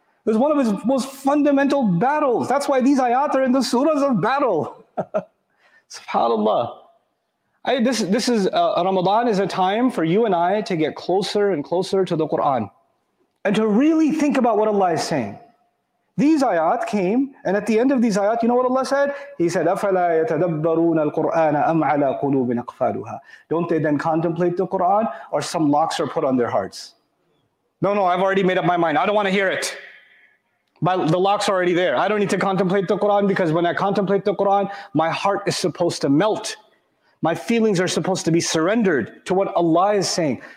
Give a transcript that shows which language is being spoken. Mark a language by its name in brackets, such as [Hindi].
[English] It was one of its most fundamental battles. That's why these ayat are in the surahs of battle. SubhanAllah. Ramadan is a time for you and I to get closer and closer to the Quran and to really think about what Allah is saying. These ayat came, and at the end of these ayat, you know what Allah said? He said, [Arabic] أَفَلَا يَتَدَبَّرُونَ الْقُرْآنَ أَمْ عَلَىٰ قُلُوبٍ أَقْفَالُهَا. [English] Don't they then contemplate the Quran, or some locks are put on their hearts? No, I've already made up my mind. I don't want to hear it. But the locks are already there. I don't need to contemplate the Quran, because when I contemplate the Quran, my heart is supposed to melt. My feelings are supposed to be surrendered to what Allah is saying.